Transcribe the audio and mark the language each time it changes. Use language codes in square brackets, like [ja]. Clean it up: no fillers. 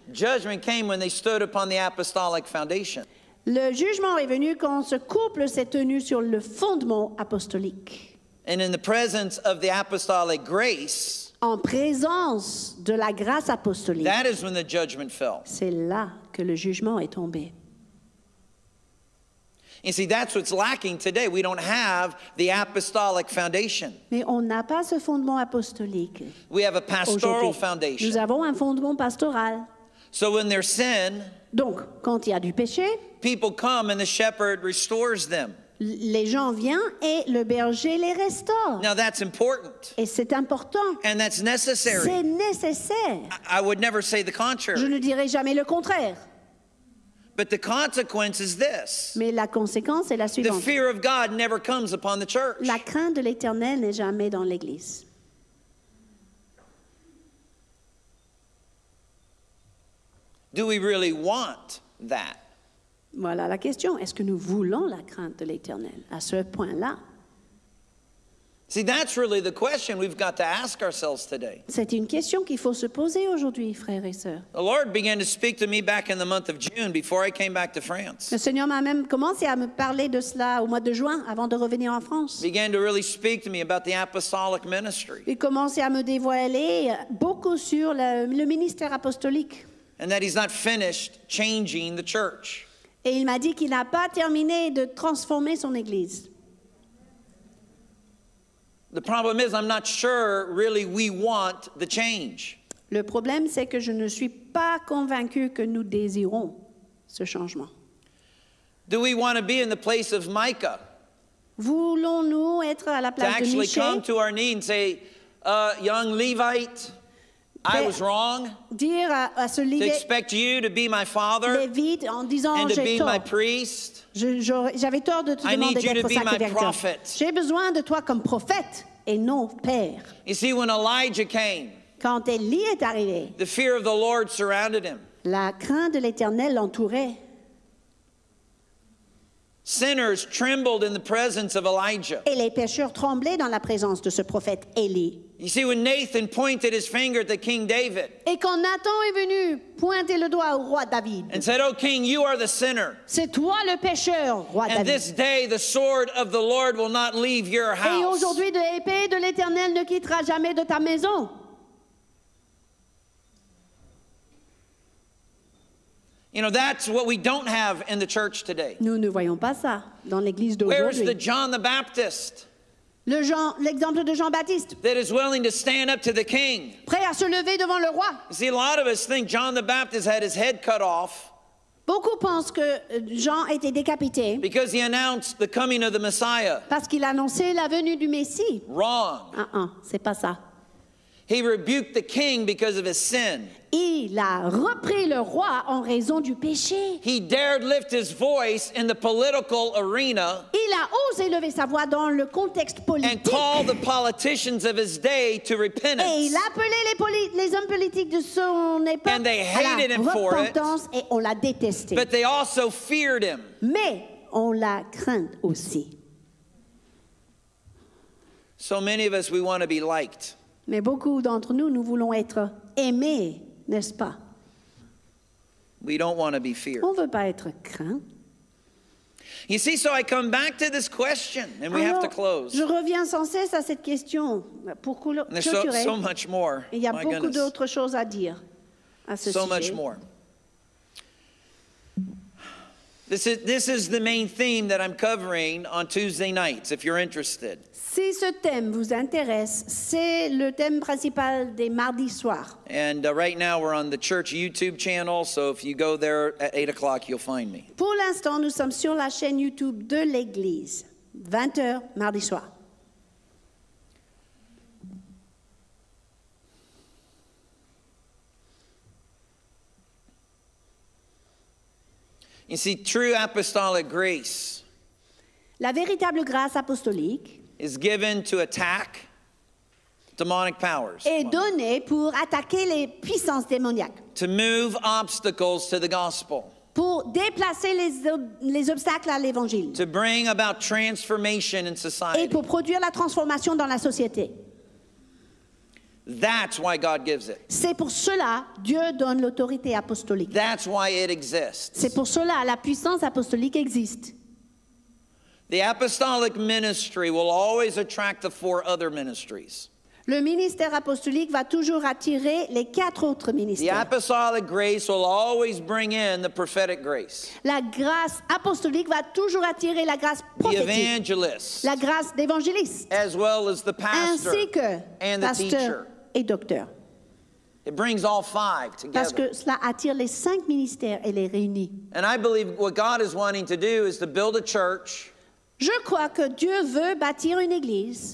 [en] Judgment came when they stood upon the apostolic foundation. [fr] Le jugement est venu quand ce couple s'est tenu sur le fondement apostolique. [en] And in the presence of the apostolic grace. [fr] En présence de la grâce apostolique. [en] That is when the judgment fell. [fr] C'est là que le jugement est tombé. [en] You see, that's what's lacking today. We don't have the apostolic foundation. [fr] Mais on n'a pas ce fondement apostolique. [en] We have a pastoral foundation. [fr] Nous avons un fondement pastoral. [en] So when there's sin, [fr] donc quand il y a du péché, [en] people come and the shepherd restores them. [fr] Les gens viennent et le berger les restaure. [en] Now that's important. [fr] Et c'est important. [en] And that's necessary. [fr] C'est nécessaire. [en] I would never say the contrary. [fr] Je ne dirai jamais le contraire. [en] But the consequence is this. [fr] Mais la conséquence est la suivante. [en] The fear of God never comes upon the church. [fr] La crainte de l'Éternel n'est jamais dans l'église. [en] Do we really want that? [fr] Voilà la question. Est-ce que nous voulons la crainte de l'Éternel à ce point-là? [en] See, that's really the question we've got to ask ourselves today. [fr] C'est une question qu'il faut se poser aujourd'hui, frères et sœurs. [en] The Lord began to speak to me back in the month of June before I came back to France. [fr] Le Seigneur m'a même commencé à me parler de cela au mois de juin avant de revenir en France. [en] Began to really speak to me about the apostolic ministry. [fr] Il commençait à me dévoiler beaucoup sur le ministère apostolique. [en] And that he's not finished changing the church. [fr] Et il m'a dit qu'il n'a pas terminé de transformer son église. [en] The problem is I'm not sure really we want the change. [fr] Le problème c'est que je ne suis pas convaincu que nous désirons ce changement. [en] Do we want to be in the place of Micah? [fr] Voulons-nous être à la place de Michée? [en] To actually come to our knee and say, young Levite, I was wrong. [fr] Dire à ce Lévite, [en] to expect you to be my father, [fr] Lévite, en disant, [en] and to be [fr] tort. [en] My priest. [fr] J'avais tort de te demander d'être sacrificateur. [en] I need you to be my prophet. [fr] J'ai besoin de toi comme prophète et non père. [en] You see, when Elijah came, [fr] quand Élie est arrivé, [en] the fear of the Lord surrounded him. [fr] La crainte de l'Éternel l'entourait. [en] Sinners trembled in the presence of Elijah. [fr] Et les pécheurs tremblaient dans la présence de ce prophète Élie. [en] You see, when Nathan pointed his finger at the King David, [fr] et quand Nathan est venu pointer le doigt au roi David, [en] and said, "Oh, King, you are the sinner." [fr] C'est toi le pécheur, roi [en] and David. "And this day the sword of the Lord will not leave your house." [fr] Et aujourd'hui, l'épée de l'Éternel ne quittera jamais de ta maison. [en] You know, that's what we don't have in the church today. [fr] Nous ne voyons pas ça dans l'église d'aujourd'hui. [en] Where is the John the Baptist? [fr] L'exemple de Jean-Baptiste. [en] That is willing to stand up to the king. [fr] Prêt à se lever devant le roi. [en] You see, a lot of us think John the Baptist had his head cut off. [fr] Beaucoup pensent que Jean était décapité. [en] Because he announced the coming of the Messiah. [fr] Parce qu'il annonçait la venue du Messie. [en] Wrong. [fr] C'est pas ça. [en] He rebuked the king because of his sin. [fr] Il a repris le roi en raison du péché. [en] He dared lift his voice in the political arena. [fr] Il a osé lever sa voix dans le contexte politique. [en] And call the politicians of his day to repentance. [fr] Et il a appelé les hommes politiques de son époque. [en] And they hated him for it. [fr] Et on l'a détesté. [en] But they also feared him. [fr] Mais on l'a craint aussi. [en] So many of us, we want to be liked. [fr] Mais beaucoup d'entre nous, nous voulons être aimés, n'est-ce pas? [en] We don't want to be feared. [fr] On ne veut pas être craint. [en] You see, so I come back to this question, and we have to close. [fr] Je reviens sans cesse à cette question. Pour [en] there's so much more. [fr] Il y a beaucoup d'autres choses à dire à ce [en] sujet. So much more. This is the main theme that I'm covering on Tuesday nights, if you're interested. [fr] Si ce thème vous intéresse, c'est le thème principal des mardis soirs. [en] And right now we're on the church YouTube channel, so if you go there at 8 o'clock, you'll find me. [fr] Pour l'instant, nous sommes sur la chaîne YouTube de l'Église, 20h, mardi soir. [en] You see, true apostolic grace. [fr] La véritable grâce apostolique [en] is given to attack demonic powers. [fr] Est donnée pour attaquer les puissances démoniaques. [en] To move obstacles to the gospel. [fr] Pour déplacer les obstacles à l'évangile. [en] To bring about transformation in society. [fr] Et pour produire la transformation dans la société. [en] That's why God gives it. [fr] C'est pour cela Dieu donne l'autorité apostolique. [en] That's why it exists. [fr] C'est pour cela la puissance apostolique existe. [en] The apostolic ministry will always attract the four other ministries. [fr] Le ministère apostolique va toujours attirer les quatre autres ministères. [en] The apostolic grace will always bring in the prophetic grace. [fr] La grâce apostolique va toujours attirer la grâce prophétique. [en] The evangelist. [fr] La grâce d'évangéliste. [en] As well as the pastor. [fr] Ainsi que [en] and the teacher. [fr] Et docteur. [en] It brings all five together. [fr] Parce que cela attire les cinq ministères et les réunit. [en] And I believe what God is wanting to do is to build a church. [fr] Je crois que Dieu veut bâtir une église